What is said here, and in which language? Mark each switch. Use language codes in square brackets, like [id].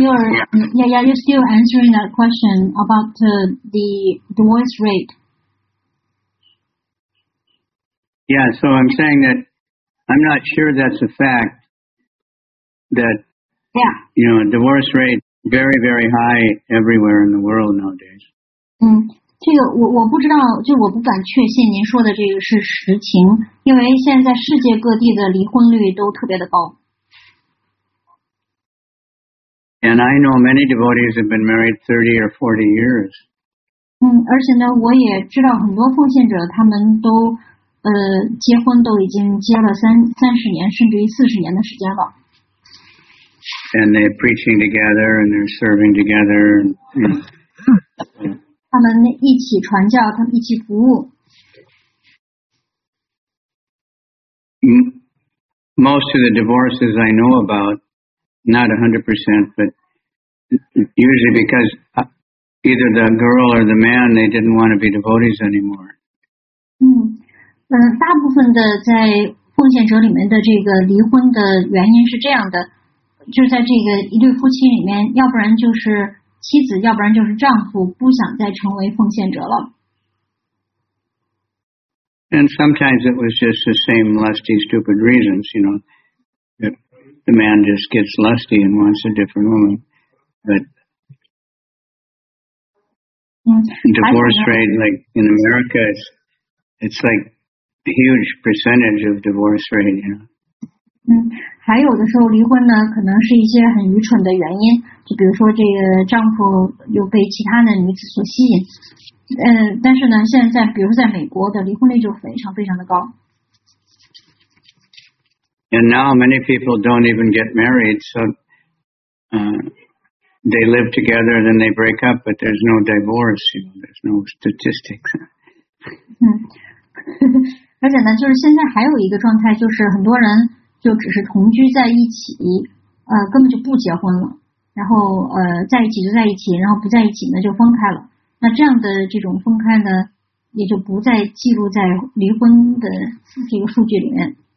[en] So you're still answering that question about the divorce rate. Yeah, so I'm saying that I'm not sure that's a fact that, you know, divorce rate. Very, very high everywhere in the world nowadays. [zh] 这个我不知道，就我不敢确信您说的这个是实情，因为现在世界各地的离婚率都特别的高。 [en] And I know many devotees have been married 30 or 40 years. [zh] 而且呢，我也知道很多奉献者，他们都结婚都已经结了三十年，甚至于40年的时间了。 [en] And they're preaching together, and they're serving together. They're [zh] 一起传教，他们一起服务。 [en] Most of the divorces I know about, not 100%, but usually because either the girl or the man they didn't want to be devotees anymore. [zh] 大部分的在奉献者里面的这个离婚的原因是这样的。就在这个一对夫妻里面，要不然就是妻子，要不然就是丈夫，不想再成为奉献者了。 [en] And sometimes it was just the same lusty, stupid reasons, you know. The man just gets lusty and wants a different woman. But divorce rate, like in America, it's like a huge percentage of divorce rate, you know. [zh] 还有的时候离婚呢，可能是一些很愚蠢的原因，就比如说这个丈夫又被其他的女子所吸引。但是呢，现在比如说在美国的离婚率就非常非常的高。 [en] And now many people don't even get married, so they live together, then they break up, but there's no divorce, you know, there's no statistics. [zh] 而且呢，就是现在还有一个状态，就是很多人。就只是同居在一起，根本就不结婚了。然后在一起就在一起，然后不在一起呢就分开了。那这样的这种分开呢，也就不再记录在离婚的这个数据里面。